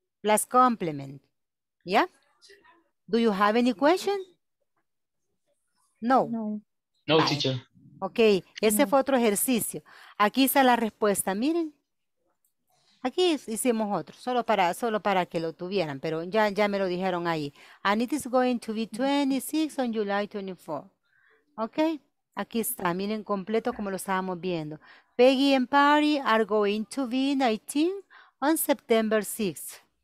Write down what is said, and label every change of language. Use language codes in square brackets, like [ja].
[en] Plus complement. ¿Ya? Do you have any question? No. No, no, teacher. [es] Ok, ese fue otro ejercicio. Aquí está la respuesta, miren. Aquí hicimos otro, solo para que lo tuvieran, pero ya me lo dijeron ahí. [en] And it is going to be 26 on July 24. [es] Ok, aquí está, miren completo como lo estábamos viendo. [en] Peggy and Patty are going to be 19 on September 6.